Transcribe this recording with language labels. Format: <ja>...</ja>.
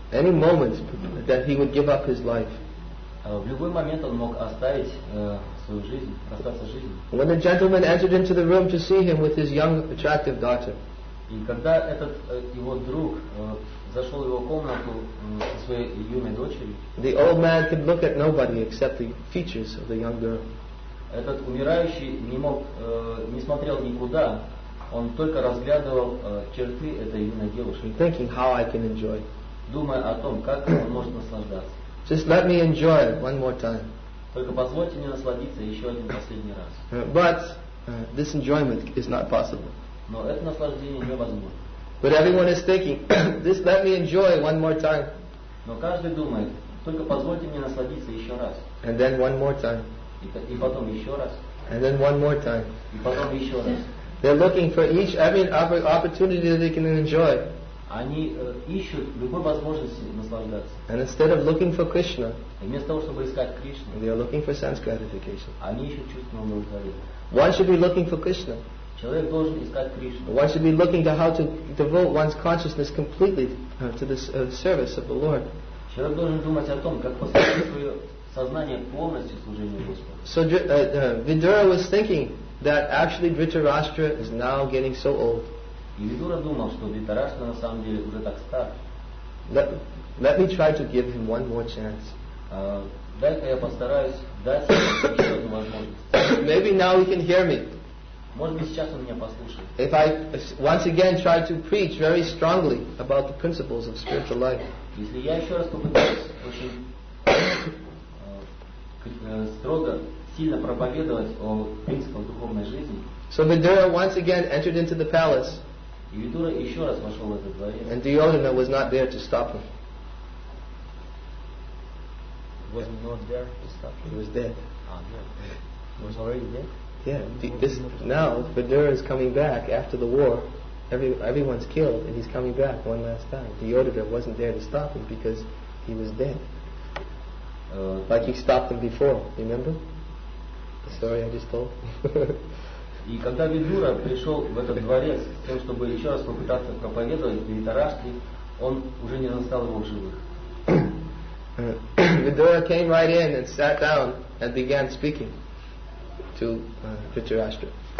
<en>any moment that he would give up his life,</en> <ru>в любой момент он мог оставить свою жизнь, расстаться с жизнью.</ru> <en>When the gentleman entered into the room to see him with his young, attractive daughter.</en> <ru>И когда этот его друг зашел в его комнату со своей юной дочерью,</ru> <en>the old man could look at nobody except the features of the young girl.</en> <ru>Этот умирающий не мог, не смотрел никуда, он только разглядывал черты этой юной девушки.</ru> <en>Thinking how I can enjoy.</en> <ru>Думая о том, как он может наслаждаться.</ru> <en>Just let me enjoy it one more time.</en> <ru>Только позвольте мне насладиться еще один последний раз.</ru> <en>But this enjoyment is not possible.</en> <ru>Но это наслаждение невозможно.</ru> <en>But everyone is thinking, just let me enjoy one more time.</en> <ru>Но каждый думает, только позвольте мне насладиться еще раз.</ru> <en>And then one more time.</en> <ru>И потом еще раз.</ru> <en>And then one more time.</en> <ru>И потом еще раз.</ru> <en>They're looking for each every opportunity that they can enjoy.</en> <ru>Они ищут любой возможности наслаждаться.</ru> <en>And instead of looking for Krishna,</en> <ru>вместо того, чтобы искать Кришну,</ru> <en>they are looking for sense gratification.</en> <ru>Они ищут чувственного удовлетворения.</ru> <en>One should be looking for Krishna.</en> <ru>Человек должен искать Кришну.</ru> <en>One should be looking to how to devote one's consciousness completely to the service of the Lord.</en> <ru>Человек должен думать о том, как посвятить свое сознание полностью служению Господу.</ru> <en>So Vidura was thinking that actually Dhritarashtra is now getting so old.</en> <ru>И Видура думал, что Дхритарашна на самом деле уже так стар.</ru> <en>Let me try to give him one more chance.</en> <ru>Дай-ка я постараюсь дать ему еще одну возможность.</ru> <en>Maybe now he can hear me.</en> <ru>Может быть, сейчас он меня послушает.</ru> <en>If I once again try to preach very strongly about the principles of spiritual life.</en> <ru>Если я еще раз попытаюсь очень строго, сильно проповедовать о принципах духовной жизни.</ru> <en>So Vidura once again entered into the palace.</en> <ru>И Видура еще раз вошел в этот дворец.</ru> <en>And Duryodhana was not there to stop him. Was he not there to stop him? He was dead. He was already dead? Yeah. Now Vidura is coming back after the war. Everyone's killed and he's coming back one last time. Duryodhana wasn't there to stop him because he was dead. Like he stopped him before, remember? The story I just told.</en> <ru>И когда Видура пришел в этот дворец с тем, чтобы еще раз попытаться проповедовать Дхритараштре, он уже не застал его в живых. Видура came right in and sat down and began speaking to Dhritarashtra.</ru>